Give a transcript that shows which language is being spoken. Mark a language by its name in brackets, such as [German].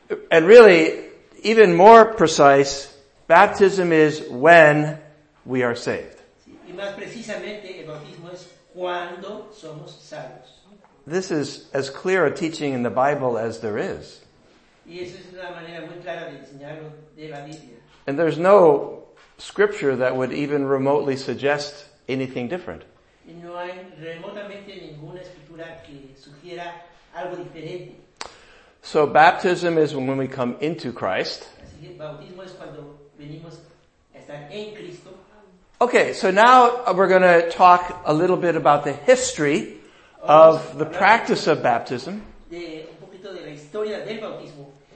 [English] And really, even more precise, baptism is when we are saved. [Spanish] Y más precisamente, el bautismo es cuando somos salvos. [English] This is as clear a teaching in the Bible as there is. [Spanish] Y eso es una manera muy clara de enseñarlo de la Biblia. [English] And there's no scripture that would even remotely suggest anything different. [Spanish] Y no hay remotamente ninguna escritura que sugiera algo diferente. [English] So baptism is when we come into Christ. [Spanish] Así que bautismo es cuando venimos a estar en Cristo. [English] Okay, so now we're going to talk a little bit about the history of the practice of baptism. [Spanish] De un poquito de la historia del bautismo.